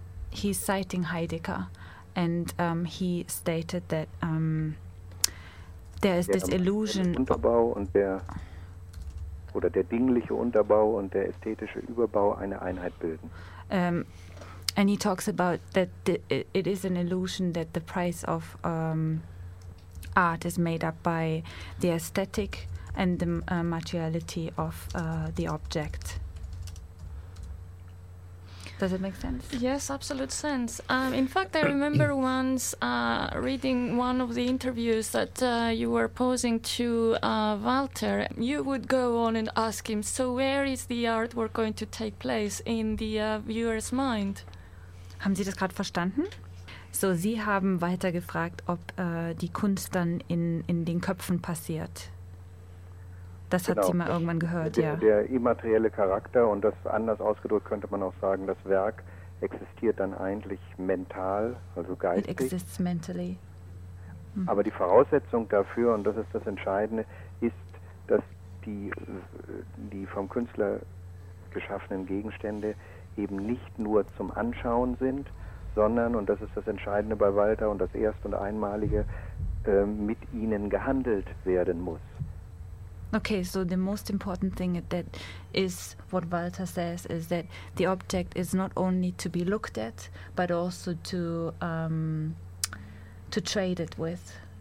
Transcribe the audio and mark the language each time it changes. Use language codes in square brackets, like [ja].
[en] He's citing Heidegger, and he stated that there is this illusion. [de] Der Unterbau und der oder der dingliche Unterbau und der ästhetische Überbau eine Einheit bilden. [en] And he talks about that it is an illusion that the price of art is made up by the aesthetic and the materiality of the object. Does it make sense? Yes, absolute sense. In fact, I remember once reading one of the interviews that you were posing to Walter. You would go on and ask him, so where is the artwork going to take place in the viewer's mind? [de] Haben Sie das gerade verstanden? So, Sie haben weiter gefragt, ob die Kunst dann in den Köpfen passiert. Das hat genau, sie mal irgendwann gehört, der, ja. Der immaterielle Charakter, und das anders ausgedrückt könnte man auch sagen, das Werk existiert dann eigentlich mental, also geistig. [en] It exists mentally. [de] Aber die Voraussetzung dafür, und das ist das Entscheidende, ist, dass die vom Künstler geschaffenen Gegenstände eben nicht nur zum Anschauen sind, sondern, und das ist das Entscheidende bei Walter und das Erste und Einmalige, mit ihnen gehandelt werden muss. [en] Okay, so the most important thing that is what Walter says is that the object is not only to be looked at, but also to trade it with.